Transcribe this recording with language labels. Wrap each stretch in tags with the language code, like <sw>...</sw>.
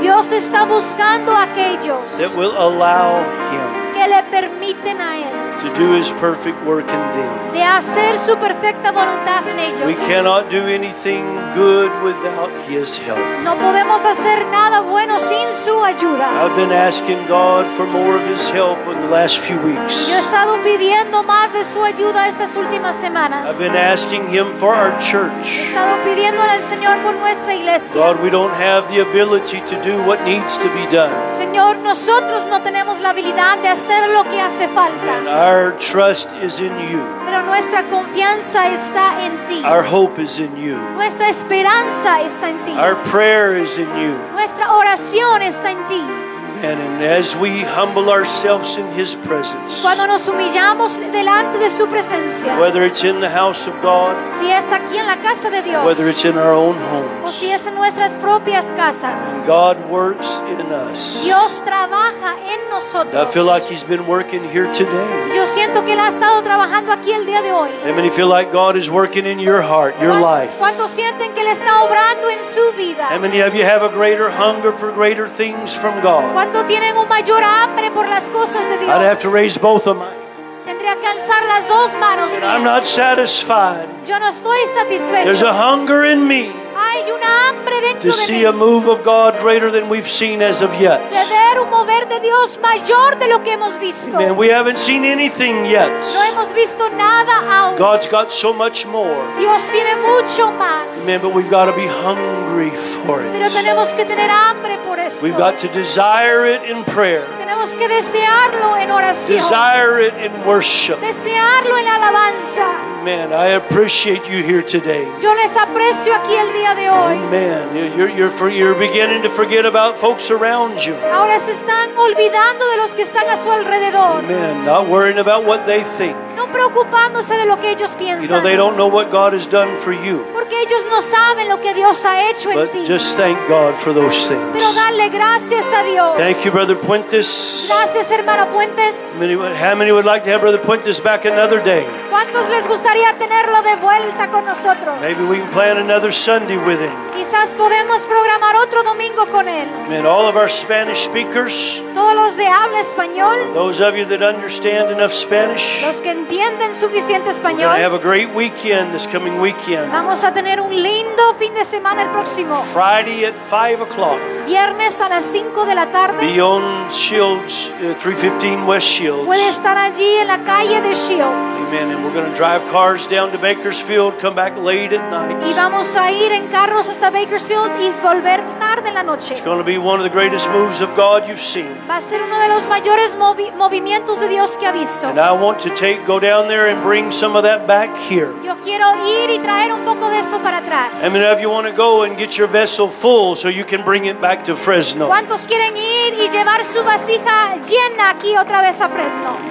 <es>Dios está buscando aquellos</es> <en>that will allow him</en> <es>que le permiten a él</es> <en>to do his perfect work in them.</en> <es>De hacer su perfecta voluntad en ellos.</es> <en>We cannot do anything good without his help.</en> <es>No podemos hacer nada bueno sin su ayuda.</es> <en>I've been asking God for more of his help in the last few weeks.</en> <es>Yo he estado pidiendo más de su ayuda estas últimas semanas.</es> <en>I've been asking him for our church.</en> <es>He estado pidiéndole al Señor por nuestra iglesia.</es> <en>God, we don't have the ability to do what needs to be done.</en> <es>Señor, nosotros no tenemos la habilidad de hacer lo que hace falta.</es> <en>And our trust is in you.</en> <es>Pero nuestra confianza está en ti.</es> <en>Our hope is in you.</en> <es>Nuestra esperanza está en ti.</es> <en>Our prayer is in you.</en> <es>Nuestra oración está en ti.</es> <en>And as we humble ourselves in his presence,</en> <es>cuando nos humillamos delante de su presencia,</es> <en>whether it's in the house of God,</en> <es>si es aquí en la casa de Dios,</es> <en>whether it's in our own homes,</en> <es>o si es en nuestras propias casas,</es> <en>God works in us.</en> <es>Dios trabaja en nosotros.</es> <en>I feel like he's been working here today.</en> <es>Yo siento que él ha estado trabajando aquí el día de hoy.</es> <en>How many feel like God is working in your heart, your life?</en> <es>¿Cuánto sienten que él está obrando en su vida?</es> <en>How many of you have a greater hunger for greater things from God?</en> <es>¿Cuánto tienen un mayor hambre por las cosas de Dios?</es> <en>I'd have to raise both of my</en> <es>tendría que alzar las dos manos mías.</es> <en>I'm not satisfied.</en> <es>Yo no estoy satisfecho.</es> <en>There's a hunger in me.</en> <es>Hay una hambre dentro de</es> <en>see</en> <es>mí.</es> <en>A move of God greater than we've seen as of yet.</en> <es>De ver un mover de Dios mayor de lo que hemos visto.</es> <en>Man, we haven't seen anything yet.</en> <es>No hemos visto nada aún.</es> <en>God's got so much more.</en> <es>Dios tiene mucho más.</es> <en>Man, but we've got to be hungry for it.</en> <es>Pero tenemos que tener hambre por esto.</es> <en>We've got to desire it in prayer.</en> <es>Tenemos que desearlo en oración.</es> <en>Desire it in worship.</en> <es>Desearlo en alabanza.</es> <en>Man, I appreciate you here today.</en> <es>Yo les aprecio aquí el día de hoy.</es> <en>Amen. You're beginning to forget about folks around you.</en> <es>Ahora se están olvidando de los que están a su alrededor.</es> <en>Amen. Not worrying about what they think.</en> <es>No preocupándose de lo que ellos piensan.</es> <en>You know, they don't know what God has done for you.</en> <es>Porque ellos no saben lo que Dios ha hecho en</es> <en>but</en> <es>ti.</es> <en>Just thank God for those things.</en> <es>Pero dale gracias a Dios.</es> <en>Thank you, Brother Puentes.</en> <es>Gracias, hermano Puentes.</es> <en>How many would like to have Brother Puentes back another day?</en> <es>¿Cuántos les gustaría tenerlo de vuelta con nosotros?</es> <en>Maybe we can plan another Sunday with him.</en> <es>Quizás podemos programar otro domingo con él.</es> <en>Man, all of our Spanish speakers.</en> <es>Todos los de habla español.</es> <en>Those of you that understand enough Spanish.</en> <es>Los que entienden suficiente español.</es> <en>We're going to have a great weekend this coming weekend.</en> <es>Vamos a tener un lindo fin de semana el próximo.</es> <en>Friday at 5:00.</en> <es>Viernes a las 5 de la tarde.</es> <en>Beyond Shields, 315 West Shields.</en> <es>Puede estar allí en la calle de Shields.</es> <en>Amen. And we're going to drive cars down to Bakersfield, come back late at night.</en> <es>Y vamos a ir en carros hasta Bakersfield y volver tarde en la noche.</es> <en>It's going to be one of the greatest moves of God you've seen.</en> <es>Va a ser uno de los mayores movimientos de Dios que ha visto.</es> <en>And I want to go down there and bring some of that back here.</en> <es>Yo quiero ir y traer un poco de eso para atrás.</es> <en>How many of you want to go and get your vessel full so you can bring it back to Fresno?</en> <es>¿Cuántos quieren ir y llevar su vasija llena aquí otra vez a Fresno?</es>